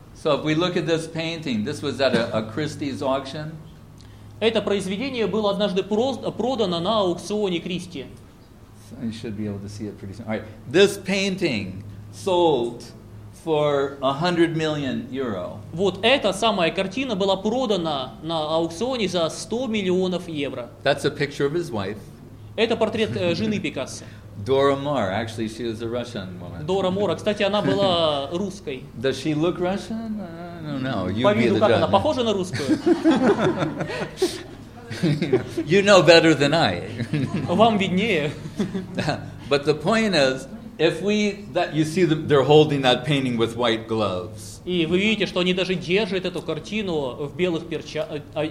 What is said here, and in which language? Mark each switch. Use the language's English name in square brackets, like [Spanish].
[English] So if we look at this painting, this was at a Christie's auction. [Russian] Это произведение было однажды продано на аукционе Кристи. [English] You should be able to see it pretty soon. All right, this painting sold for 100 million euro. [Russian] Вот эта самая картина была продана на аукционе за 100 миллионов евро. [English] That's a picture of his wife. [Russian] Это портрет жены Пикассо. [English] Dora Maar, actually she is a Russian woman. [Russian] Дора Мора, кстати, она была русской. [English] Does she look Russian? I don't know. You be the judge. [Russian] Она похожа на русскую? [English] You know better than I. [Russian] Вам виднее. [English] But the point is, if we that you see them, they're holding that painting with white gloves. [Russian] И вы видите, что они даже держат эту картину в белых перчатками.